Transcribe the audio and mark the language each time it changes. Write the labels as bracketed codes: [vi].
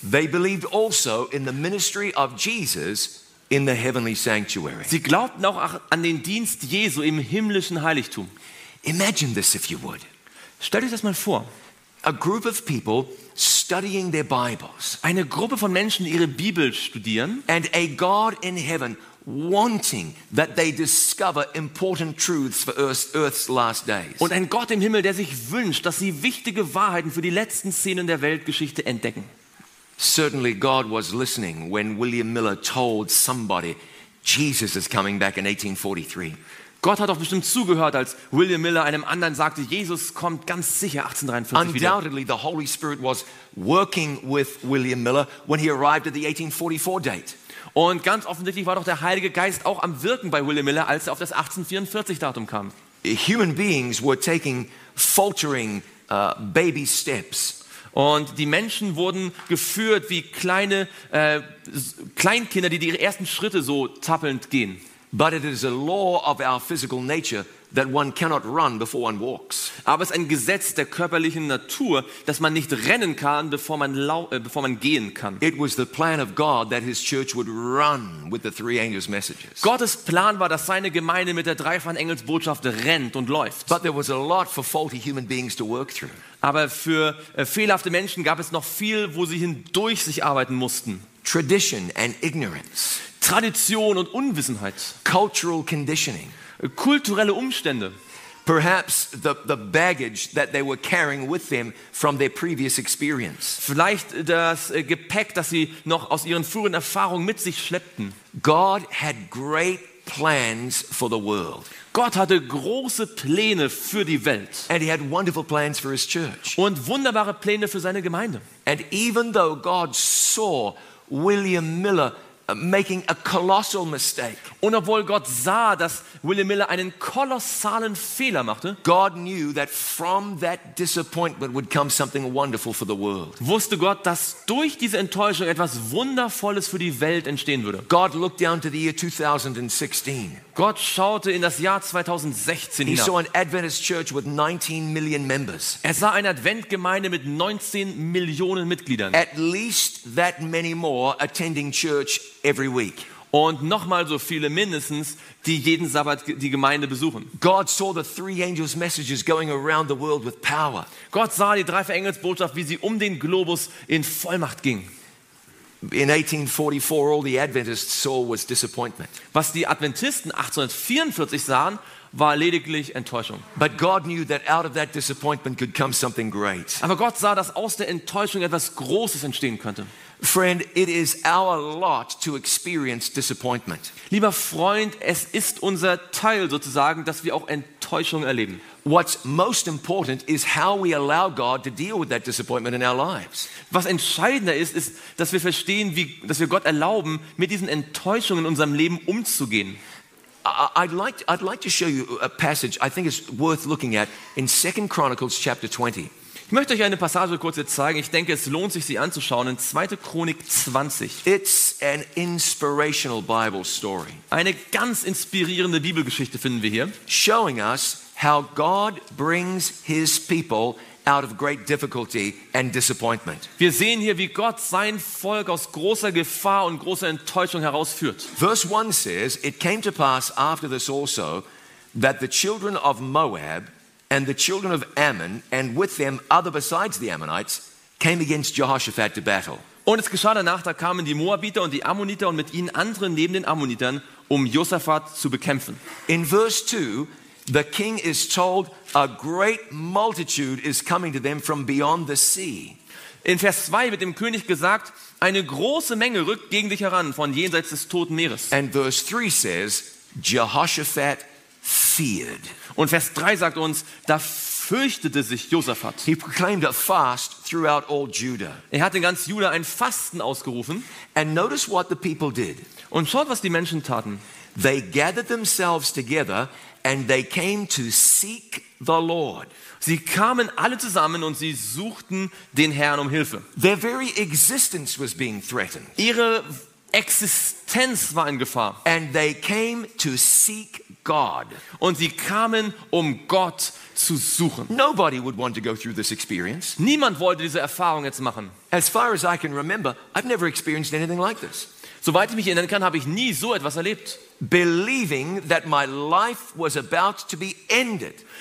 [en] They believed also in the ministry of Jesus in the heavenly sanctuary. [de] Sie glaubten auch an den Dienst Jesu im himmlischen Heiligtum. [en] Imagine this if you would. [de] Stell dir das mal vor. [en] A group of people studying their Bibles. [de] Eine Gruppe von Menschen, ihre Bibel studieren. [en] And a God in heaven wanting that they discover important truths for Earth's last days. [de] Und ein Gott im Himmel, der sich wünscht, dass sie wichtige Wahrheiten für die letzten Szenen der Weltgeschichte entdecken. [en] Certainly God was listening when William Miller told somebody Jesus is coming back in 1843. [de] Gott hat doch bestimmt zugehört, als William Miller einem anderen sagte, Jesus kommt ganz sicher 1843 wieder. [en] Undoubtedly the Holy Spirit was working with William Miller when he arrived at the 1844 date. [de] Und ganz offensichtlich war doch der Heilige Geist auch am Wirken bei William Miller, als er auf das 1844 Datum kam. [en] Human beings were taking faltering baby steps. [de] Und die Menschen wurden geführt wie kleine Kleinkinder, die ihre ersten Schritte so tappelnd gehen. [en] But it is a law of our physical nature that one cannot run before one walks. [de] Aber es ist ein Gesetz der körperlichen Natur, dass man nicht rennen kann, bevor man gehen kann. [en] It was the plan of God that his church would run with the 3 angels' messages. [de] Gottes Plan war, dass seine Gemeinde mit der dreifachen Engelsbotschaft rennt und läuft. [en] But there was a lot for faulty human beings to work through. [de] Aber für fehlerhafte Menschen gab es noch viel, wo sie hindurch sich arbeiten mussten. [en] Tradition and ignorance. [de] Tradition und Unwissenheit. [en] Cultural conditioning. [de] Kulturelle Umstände. [en] Perhaps the baggage that they were carrying with them from their previous experience. [de] Vielleicht das Gepäck, das sie noch aus ihren früheren Erfahrungen mit sich schleppten. [en] God had great plans for the world. [de] Gott hatte große Pläne für die Welt. [en] And he had wonderful plans for his church. [de] Und wunderbare Pläne für seine Gemeinde. [en] And even though God saw William Miller making a colossal mistake. [de] Und obwohl Gott sah, dass William Miller einen kolossalen Fehler machte, [en] God knew that from that disappointment would come something wonderful for the world. [de] Wusste Gott, dass durch diese Enttäuschung etwas Wundervolles für die Welt entstehen würde. [en] God looked down to the year 2016. [de] Gott schaute in das Jahr 2016 hinab. [en] He saw an Adventist church with 19 million members. [de] Er sah eine Adventgemeinde mit 19 Millionen Mitgliedern. [en] At least that many more attending church every week. [de] Und nochmal so viele mindestens, die jeden Sabbat die Gemeinde besuchen. [en] God saw the 3 angels' messages going around the world with power. [de] Gott sah die dreifache Engelsbotschaft, wie sie um den Globus in Vollmacht ging. [en] In 1844, all the Adventists saw was disappointment. [de] Was die Adventisten 1844 sahen, war lediglich Enttäuschung. [en] But God knew that out of that disappointment could come something great. [de] Aber Gott sah, dass aus der Enttäuschung etwas Großes entstehen könnte. [en] Friend, it is our lot to experience disappointment. [de] Lieber Freund, es ist unser Teil sozusagen, dass wir auch Enttäuschung erleben. [en] What's most important is how we allow God to deal with that disappointment in our lives. [de] Was entscheidender ist, ist, dass wir verstehen, dass wir Gott erlauben, mit diesen Enttäuschungen in unserem Leben umzugehen. [en] I'd like to show you a passage I think is worth looking at in 2 Chronicles chapter 20. [de] Ich möchte euch eine Passage kurz jetzt zeigen. Ich denke, es lohnt sich, sie anzuschauen. In 2. Chronik 20. [en] It's an inspirational Bible story. [de] Eine ganz inspirierende Bibelgeschichte finden wir hier. [en] Showing us how God brings his people out of great difficulty and disappointment. [de] Wir sehen hier, wie Gott sein Volk aus großer Gefahr und großer Enttäuschung herausführt. [en] Verse 1 says, it came to pass after this also, that the children of Moab And the children of Ammon, and with them other besides the Ammonites, came against Jehoshaphat to battle. [de] Und es geschah danach, da kamen die Moabiter und die Ammoniter und mit ihnen andere neben den Ammonitern, um Josaphat zu bekämpfen. [en] In verse 2, the king is told a great multitude is coming to them from beyond the sea. [de] In Vers 2 wird dem König gesagt, eine große Menge rückt gegen dich heran von jenseits des Toten Meeres. [en] And verse 3 says, Jehoshaphat feared. [de] Und Vers 3 sagt uns, da fürchtete sich Josaphat. [en] He proclaimed a fast throughout all Judah. [de] Er hat in ganz Juda ein Fasten ausgerufen. [en] And notice what the people did. [de] Und schaut, was die Menschen taten. [en] They gathered themselves together and they came to seek the Lord. [de] Sie kamen alle zusammen und sie suchten den Herrn um Hilfe. [en] Their very existence was being threatened. [de] Ihre Existenz war in Gefahr. [en] And they came to seek God. [de] Und sie kamen, um Gott zu suchen. [en] Nobody would want to go through this experience. [de] Niemand wollte diese Erfahrung jetzt machen. [en] As far as I can remember, I've never experienced anything like this. [de] Soweit ich mich erinnern kann, habe ich nie so etwas erlebt. [en] Believing that my life was about to be ended.